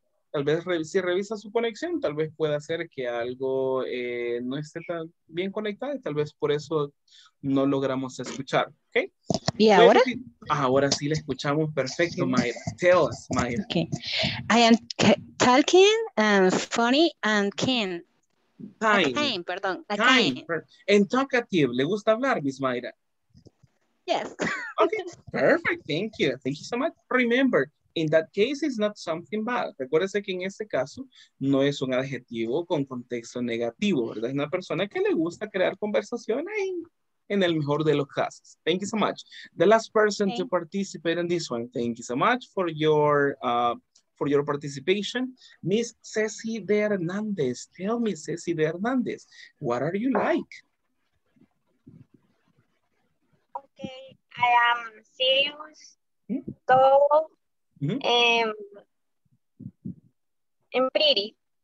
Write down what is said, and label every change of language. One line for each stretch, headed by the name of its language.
Spanish: Tal vez si revisa su conexión, tal vez pueda ser que algo no esté tan bien conectado y tal vez por eso no logramos escuchar, ¿ok? ¿Y ahora? Ahora sí la escuchamos perfecto, Mayra.
English: Tell us,
Spanish: Mayra.
English: Okay. I am talking and funny and keen. Kind,
Spanish: perdón.
English: And talkative.
Spanish: ¿Le gusta hablar, Miss Mayra?
English: Yes. Okay, perfect. Thank you. Thank you so much. Remember, in that case, it's not something bad.
Spanish: Recuérdese que en este caso no es un adjetivo con contexto negativo, ¿verdad? Es una persona que le gusta crear conversaciones en el mejor de los casos.
English: Thank you so much. The last person to participate in this one. Thank you so much for your participation. Miss Ceci de Hernández. Tell me, Ceci de Hernández, what are you like? Okay, I am serious, tall, and pretty.